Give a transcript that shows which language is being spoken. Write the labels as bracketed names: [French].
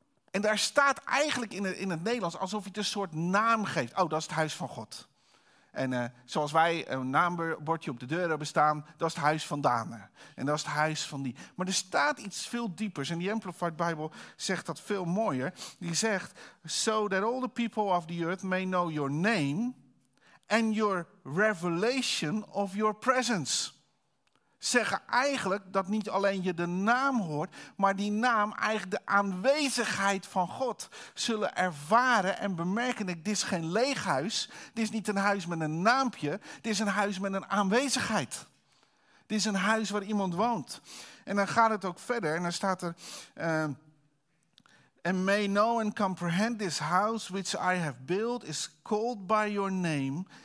[Dutch] En daar staat eigenlijk in het Nederlands alsof het een soort naam geeft. Oh, dat is het huis van God. En zoals wij een naambordje op de deur hebben staan, dat is het huis van Danen. En dat is het huis van die. Maar er staat iets veel diepers. En die Amplified Bible zegt dat veel mooier. [English] Die zegt, so that all the people of the earth may know your name and your revelation of your presence. [Dutch] zeggen eigenlijk dat niet alleen je de naam hoort, maar die naam eigenlijk de aanwezigheid van God zullen ervaren en bemerken. Dit is geen leeg huis, dit is niet een huis met een naampje, dit is een huis met een aanwezigheid. Dit is een huis waar iemand woont. En dan gaat het ook verder en dan staat er... [English] And may know and comprehend this house which I have built is called by your name.